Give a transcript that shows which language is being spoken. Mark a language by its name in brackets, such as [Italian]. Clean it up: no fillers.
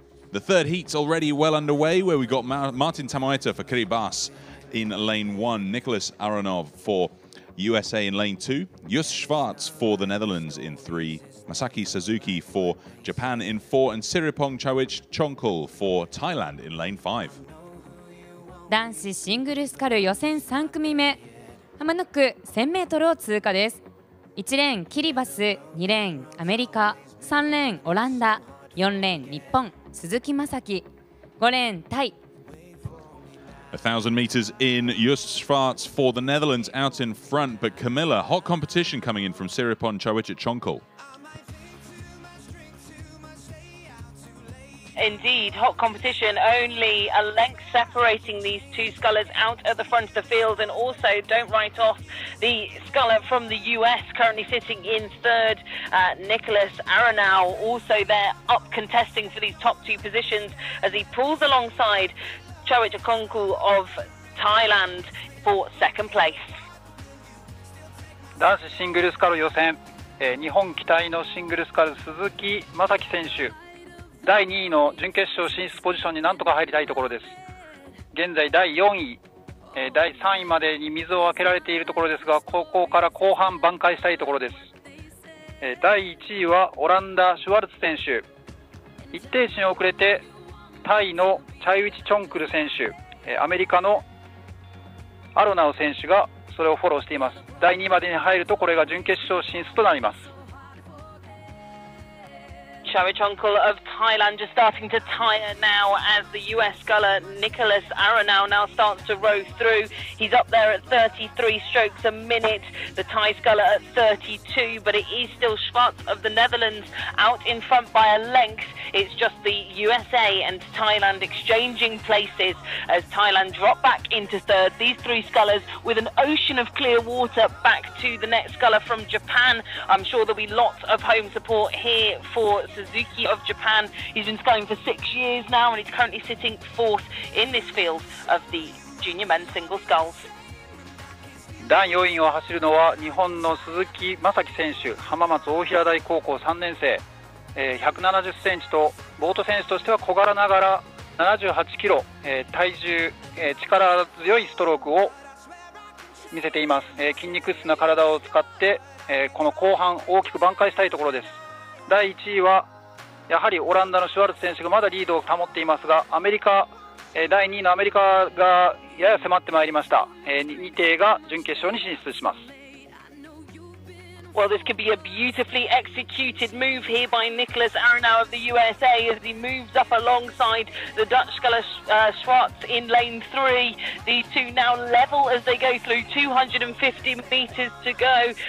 [English] The third heat's already well underway, where we got Martin Tamaeta for Kiribati in lane one, Nicholas Aronov for USA in lane two, Jos Schwartz for the Netherlands in three, Masaki Suzuki for Japan in four, and Siripong Chawich Chonkul for Thailand in lane five. [Japanese] 男子シングルスカル予選3組目、浜野区 1000m を通過です。 1レーンキリバス、2レーンアメリカ、3レーンオランダ、4レーン日本鈴木雅紀、5レーンタイ。 [English] 1000 meters in, Jos Schwartz for the Netherlands out in front, but Camilla, hot competition coming in from Siripong Chawich at Chonkul. Indeed, hot competition, only a length separating these two scullers out at the front of the field. And also, don't write off the sculler from the US currently sitting in third, Nicholas Aronow, also there up contesting for these top two positions as he pulls alongside Chawich Chonkul of Thailand for second place. [Japanese] 男子シングルスカル予選、日本期待のシングルスカル鈴木雅紀選手、第2位の準決勝進出ポジションになんとか入りたいところです。現在第4位、第3位までに水を分けられているところですが、ここから後半挽回したいところです。第1位はオランダシュワルツ選手、一定身遅れてタイのチャイウィチチョンクル選手、アメリカのアロナウ選手がそれをフォローしています。第2位までに入るとこれが準決勝進出となります。 [English] Charichonkul of Thailand just starting to tire now as the US sculler Nicholas Arenal now starts to row through. He's up there at 33 strokes a minute, the Thai sculler at 32, but it is still Schwartz of the Netherlands out in front by a length. It's just the USA and Thailand exchanging places as Thailand drop back into third. These three scullers with an ocean of clear water back to the next sculler from Japan. I'm sure there'll be lots of home support here for Suzuki of Japan. He's been sculling for 6 years now and he's currently sitting fourth in this field of the junior men's single sculls. [Japanese] 第4位を走るのは日本の鈴木正樹選手、浜松大平台高校3年生、170センチとボート選手としては小柄ながら78キロ、体重、力強いストロークを見せています。筋肉質な体を使って、この後半大きく挽回したいところです。第1位はやはりオランダのシュワルツ選手がまだリードを保っていますが、アメリカ、第2位のアメリカがやや迫ってまいりました。 2艇が準決勝に進出します。 [English] Well, this could be a beautifully executed move here by Nicholas Arenal of the USA as he moves up alongside the Dutch sculler Schwartz in lane three. The two now level as they go through 250 meters to go.